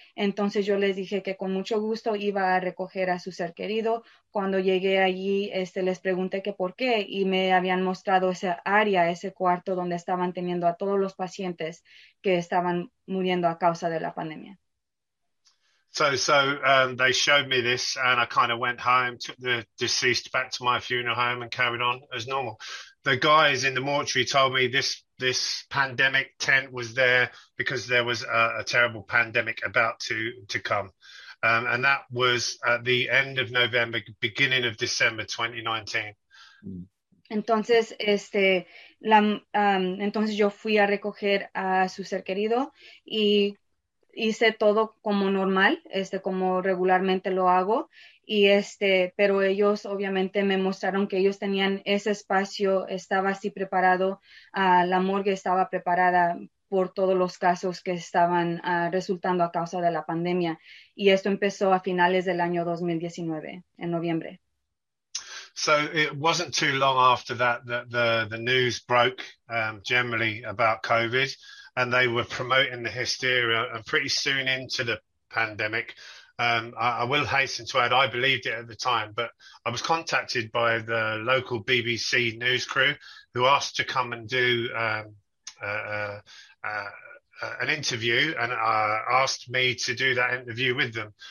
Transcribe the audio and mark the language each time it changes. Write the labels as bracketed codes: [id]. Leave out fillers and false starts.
[es] Entonces yo les dije que con mucho gusto iba a recoger a su ser querido. Cuando llegué allí, les pregunté que por qué, y me habían mostrado esa área, ese cuarto donde estaban teniendo a todos los pacientes que estaban muriendo a causa de la pandemia. [en] So they showed me this, and I kind of went home, took the deceased back to my funeral home, and carried on as normal. The guys in the mortuary told me this pandemic tent was there because there was a terrible pandemic about to come. And that was at the end of November, beginning of December 2019. [es] Entonces, entonces yo fui a recoger a su ser querido y hice todo como normal, como regularmente lo hago, y pero ellos obviamente me mostraron que ellos tenían ese espacio, estaba así preparado, la morgue estaba preparada por todos los casos que estaban resultando a causa de la pandemia, y esto empezó a finales del año 2019, en noviembre. [en] So it wasn't too long after that the news broke generally about COVID, and they were promoting the hysteria. And pretty soon into the pandemic, I will hasten to add, I believed it at the time, but I was contacted by the local BBC news crew, who asked to come and do an interview, and asked me to do that interview with them.